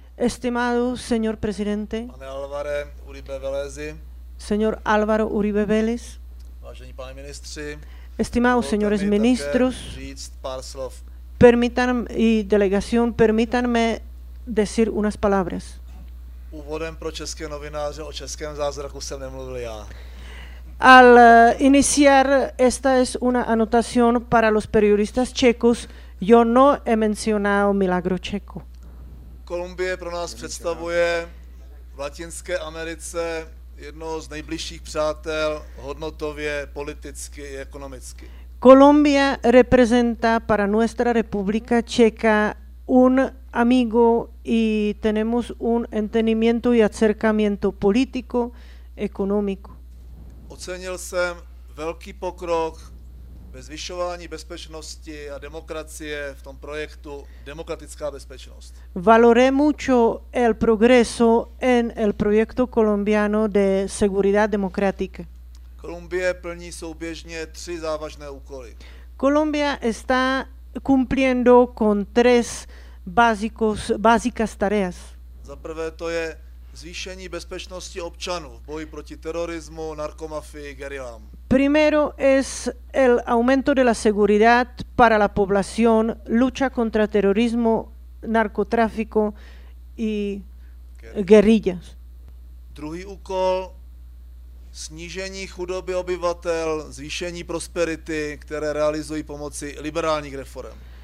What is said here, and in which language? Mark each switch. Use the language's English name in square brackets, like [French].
[Spanish] estimado señor presidente, [Czech] pane Álvaro Uribe Vélez, [Spanish] señor Álvaro Uribe Vélez, [Czech] vážení pane ministři, [Spanish] estimados señores ministros, [Czech] říct pár slov. [Spanish] Permítanme, y delegación, permítanme decir unas palabras. [Czech] Úvodem pro české novináře o českém zázraku jsem nemluvil já. [Spanish] Al iniciar, esta es una anotación para los periodistas checos, yo no he mencionado milagro checo. [Czech] Kolumbie pro nás představuje v Latinské Americe jedno z nejbližších přátel hodnotově, politicky i ekonomicky. [Spanish] Colombia representa para nuestra República Checa un amigo y tenemos un entendimiento y acercamiento político, económico. [Czech] Ocenil jsem velký pokrok ve zvyšování bezpečnosti a demokracie v tom projektu Demokratická bezpečnost. [Spanish] Valoré mucho el progreso en el proyecto colombiano de seguridad democrática. [Czech] Kolumbie plní souběžně tři závažné úkoly. [Spanish] Colombia está cumpliendo con tres básicas tareas. [Czech] Za prvé to je zvýšení bezpečnosti občanů v boji proti terorismu, narkomafii, gerilám. [Spanish] Primero es el aumento de la seguridad para la población, lucha contra terrorismo, narcotráfico y guerrillas. [Czech] Druhý úkol, snížení chudoby obyvatel, zvýšení prosperity, které realizují pomocí liberálních reform.